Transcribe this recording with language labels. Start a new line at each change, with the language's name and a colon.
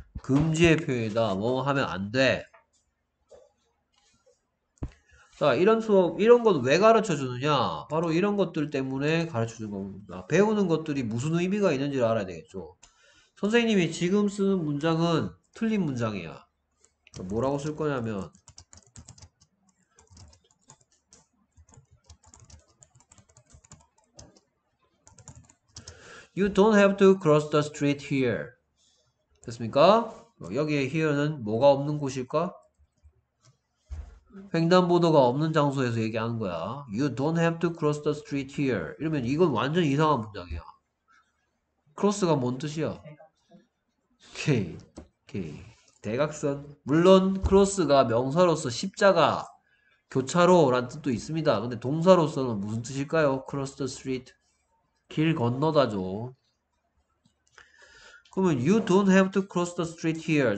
Korean: 금지의 표현이다. 뭐뭐 하면 안 돼. 자, 이런 수업, 이런 건왜 가르쳐 주느냐? 바로 이런 것들 때문에 가르쳐 준 겁니다. 배우는 것들이 무슨 의미가 있는지를 알아야 되겠죠. 선생님이 지금 쓰는 문장은 틀린 문장이야. 뭐라고 쓸 거냐면,
English: 'You don't have to cross the street here.'
Korean: 됐습니까? 여기에 here는 뭐가 없는 곳일까? 횡단보도가 없는 장소에서 얘기하는 거야.
English: You don't have to cross the street here.
Korean: 이러면 이건 완전 이상한 문장이야. cross가 뭔 뜻이야? 오케이. 오케이. 대각선. 물론 cross가 명사로서 십자가 교차로란 뜻도 있습니다. 근데 동사로서는 무슨 뜻일까요?
English: cross the street.
Korean: 길 건너다죠. 그러면
English: you don't have to cross the street here.